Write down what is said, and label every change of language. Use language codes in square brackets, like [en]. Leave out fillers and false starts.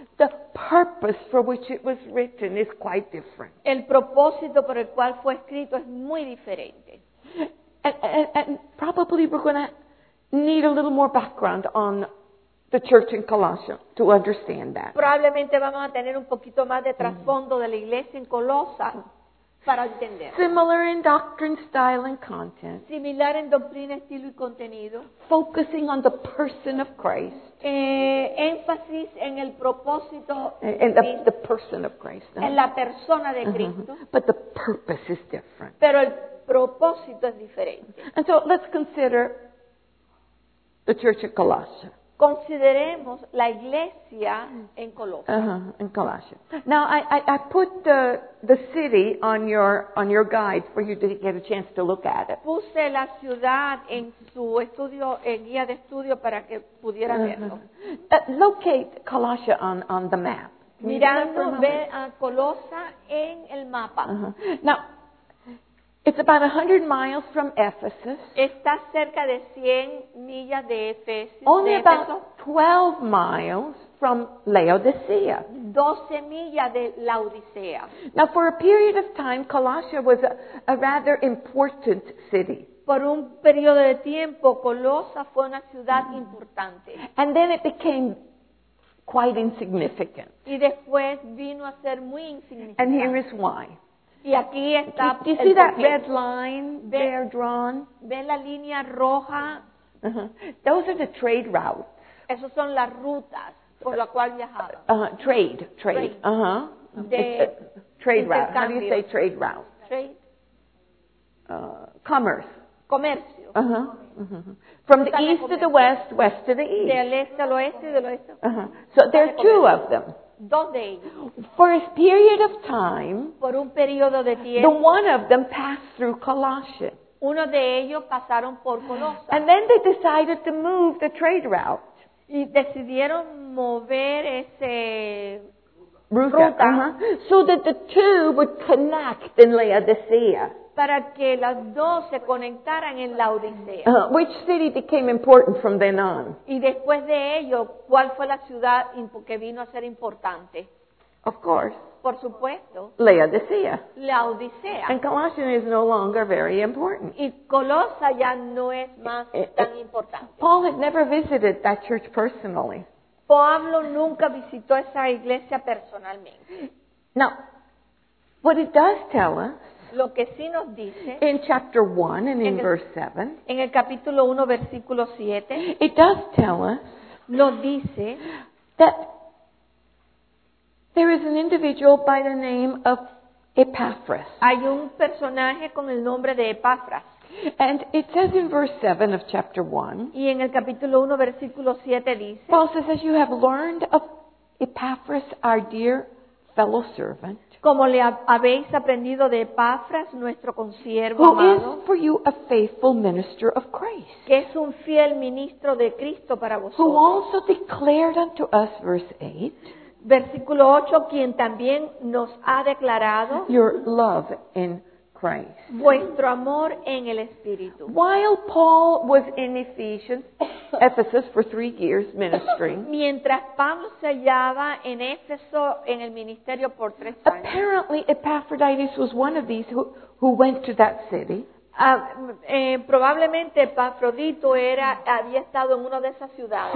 [en] the purpose for which it was written is quite different. [es] El propósito por el cual fue escrito es muy diferente. [en] And probably we're going to need a little more background on the church in Colossians to understand that. [es] Probablemente vamos a tener un poquito más de trasfondo de la iglesia en Colosas. Para entender. [en] Similar in doctrine, style, and content. [es] Similar en doctrina, estilo y contenido. [en] Focusing on the person of Christ. [es] Énfasis en el propósito. [en] And the person of Christ. [es] En la persona de Cristo. [en] But the purpose is different. [es] Pero el propósito es diferente. [en] And so let's consider the church at Colossae. [es] Consideremos la iglesia en Colosas. [en] In Colossians. Now I put the city on your guide for you to get a chance to look at it. [es] Puse la ciudad en su estudio, en guía de estudio para que pudiera verlo. [en] Locate Colossae on the map. [es] Mirando, ve a Colosas en el mapa. [en] Now it's about 100 miles from Ephesus. [es] Está cerca de 100 millas de Éfeso. [en] Only about 12 miles from Laodicea. [es] 12 millas de Laodicea. [en] Now, for a period of time, Colossae was a rather important city. [es] por un periodo de tiempo, Colosa fue una ciudad importante. [en] And then it became quite insignificant. [es] Y después vino a ser muy insignificante. [en] And here is why. [es] Y aquí está. [en] Do you see that red line there drawn? [es] ¿Ve la línea roja? [en] Those are the trade routes. [es] Esos son las rutas por la cual viajaban. [en] Trade. Trade route. How do you say trade route? Commerce. [es] Comercio. [en] From the east to the west, west to the east. [es] Del este al oeste y del oeste. [en] So there are two of them. [es] Dos de ellos. [en] For a period of time, [es] por un periodo de tiempo, [en] the one of them passed through Colossae. [es] Uno de ellos pasaron por Colosa. [en] And then they decided to move the trade route. [es] Y decidieron mover ese ruta. [en] So that the two would connect in Laodicea. [es] Para que las dos se conectaran en la Odisea. [en] Which city became important from then on? [es] Y después de ello, ¿cuál fue la ciudad que vino a ser importante? [en] Of course. [es] Por supuesto. [en] Laodicea. [es] La Odisea. [en] And Colossians is no longer very important. [es] Y Colosa ya no es más tan importante. [en] Paul had never visited that church personally. [es] Pablo nunca visitó esa iglesia personalmente. [en] Now, what it does tell us, [es] lo que sí nos dice, [en] in chapter 1 and in verse 7, [es] en el capítulo 1, versículo 7, [en] it does tell us, [es] nos dice, [en] that there is an individual by the name of Epaphras. [es] Hay un personaje con el nombre de Epaphras. [en] And it says in verse 7 of chapter 1, [es] y en el capítulo 1, versículo 7, dice, [en] Paul says, as you have learned of Epaphras, our dear fellow servant, [es] como le habéis aprendido de Epafras, nuestro consiervo amado, [en] who is for you a faithful minister of Christ, [es] que es un fiel ministro de Cristo para vosotros, [en] who also declared unto us, verse 8, [es] versículo 8, quien también nos ha declarado, [en] your love in Christ, [es] vuestro amor en el Espíritu. [en] While Paul was in Ephesians, Ephesus for 3 years ministering, [es] mientras Pablo se hallaba en Éfeso en el ministerio por 3 años, [en] apparently Epaphroditus was one of these who went to that city. [es] Probablemente Epafrodito era, había estado en una de esas ciudades.